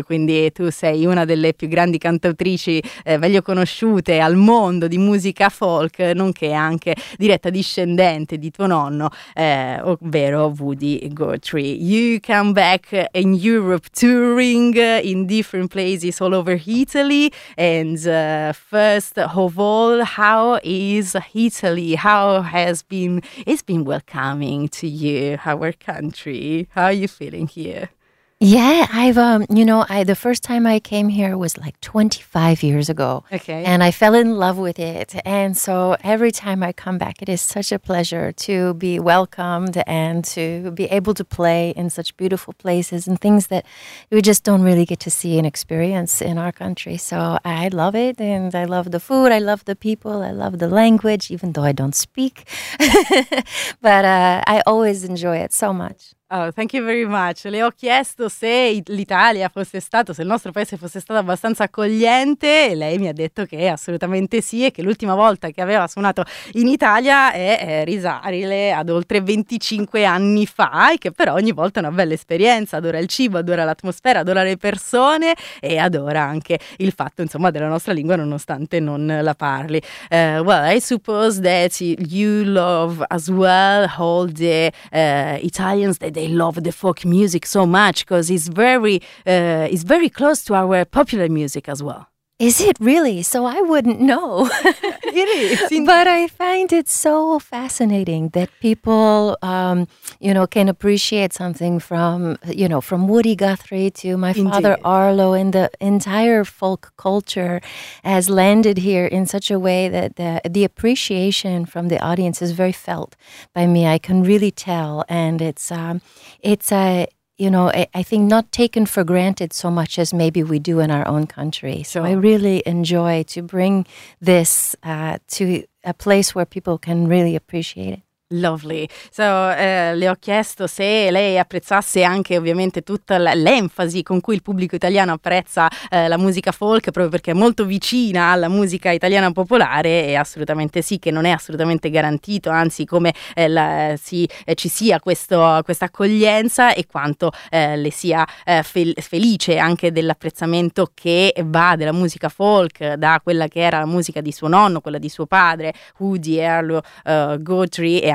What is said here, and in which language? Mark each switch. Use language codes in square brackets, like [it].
[it] Quindi tu sei una delle più grandi cantautrici meglio conosciute al mondo di musica folk, nonché anche diretta discendente di tuo nonno, ovvero Hoodie Guthrie. [en] You come back in Europe touring in different places all over Italy, and first of all, how is Italy? How has been? It's been welcoming to you, our country. How are you feeling here? Yeah, I've the first time I came here was like 25 years ago. Okay. And I fell in love with it, and so every time I come back it is such a pleasure to be welcomed and to be able to play in such beautiful places and things that we just don't really get to see and experience in our country. So I love it, and I love the food, I love the people, I love the language, even though I don't speak but I always enjoy it so much. Oh, thank you very much. [it] Le ho chiesto se l'Italia fosse stato, se il nostro paese fosse stato abbastanza accogliente, e lei mi ha detto che assolutamente sì, e che l'ultima volta che aveva suonato in Italia è risalire ad oltre 25 anni fa, e che però ogni volta è una bella esperienza. Adora il cibo, adora l'atmosfera, adora le persone, e adora anche il fatto, insomma, della nostra lingua nonostante non la parli. [en] Well, I suppose that you love as well all the Italians, that they love the folk music so much, because it's very close to our popular music as well. Is it really? So I wouldn't know. It is. But I find it so fascinating that people, can appreciate something from, from Woody Guthrie to my Indeed. Father Arlo, and the entire folk culture has landed here in such a way that the appreciation from the audience is very felt by me. I can really tell. And I think not taken for granted so much as maybe we do in our own country. So sure. I really enjoy to bring this to a place where people can really appreciate it. Lovely. [it] So le ho chiesto se lei apprezzasse anche ovviamente tutta l'enfasi con cui il pubblico italiano apprezza la musica folk, proprio perché è molto vicina alla musica italiana popolare, e assolutamente sì, che non è assolutamente garantito, anzi come ci sia questa accoglienza, e quanto le sia felice anche dell'apprezzamento che va della musica folk da quella che era la musica di suo nonno, quella di suo padre, Hoodie Earl Guthrie, e